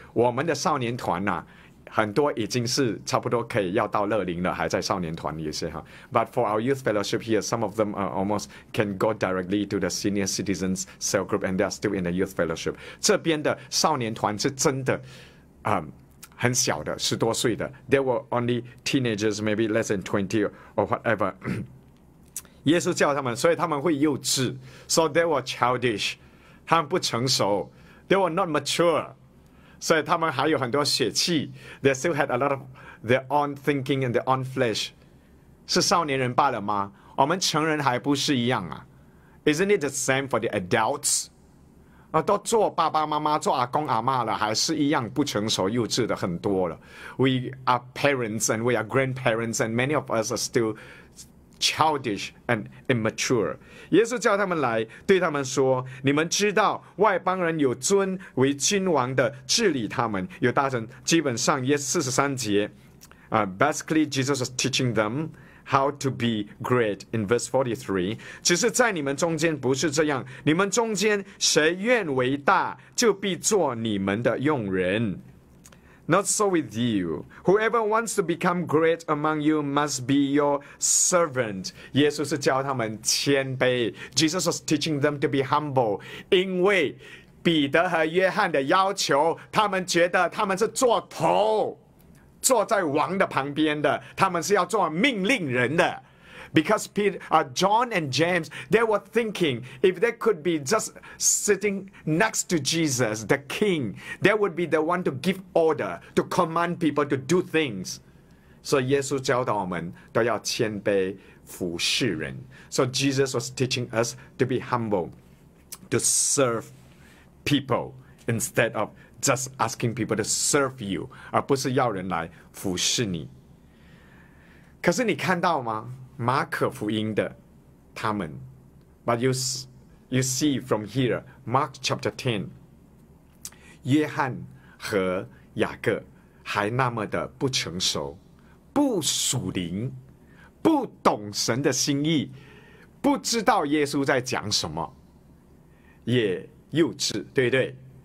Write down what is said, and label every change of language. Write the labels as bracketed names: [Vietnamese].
[Chinese] 我们的少年团呐、啊，很多已经是差不多可以要到乐龄了，还在少年团有些哈。 [English] But for our youth fellowship here, some of them are almost can go directly to the senior citizens cell group, and they're still in the youth fellowship。 [Chinese] 这边的少年团是真的，很小的，十多岁的。 [English] They were only teenagers, maybe less than 20 or whatever. [Chinese] 耶稣叫他们，所以他们会幼稚。 [English] So they were childish. [Chinese] 他们不成熟。 [English] They were not mature. [Chinese] 所以他们还有很多血气。 [English] They still had a lot of their own thinking and their own flesh. [Chinese] 是少年人罢了吗？我们成人还不是一样啊。 [English] Isn't it the same for the adults? [Chinese] 都做爸爸妈妈做阿公阿妈了，还是一样不成熟幼稚的很多了。 [English] We are parents and we are grandparents, and many of us are still childish and immature. [Chinese] 耶稣叫他们来，对他们说，你们知道外邦人有尊为君王的治理他们，有大臣。基本上耶稣43节、 [English] basically Jesus was teaching themHow to be great in verse 43. [Chinese] 只是在你们中间不是这样，你们中间谁愿为大，就必做你们的用人。 [English] Not so with you. Whoever wants to become great among you must be your servant. [Chinese] 耶稣是教他们谦卑。 [English] Jesus was teaching them to be humble. [Chinese] 因为彼得和约翰的要求，他们觉得他们是做头，坐在王的旁边的，他们是要做命令人的。 [English] Because Peter,、John and James, they were thinking if they could be just sitting next to Jesus, the king, they would be the one to give order, to command people to do things. [Chinese] So 耶稣教导我们都要谦卑服侍人。 [English] So Jesus was teaching us to be humble, to serve people instead ofJust asking people to serve you, [Chinese] 而不是要人来服侍你。可是你看到吗？马可福音的他们 ， [English] But you see from here, Mark chapter 10, [Chinese] 约翰和雅各还那么的不成熟，不属灵，不懂神的心意，不知道耶稣在讲什么，也幼稚，对不对？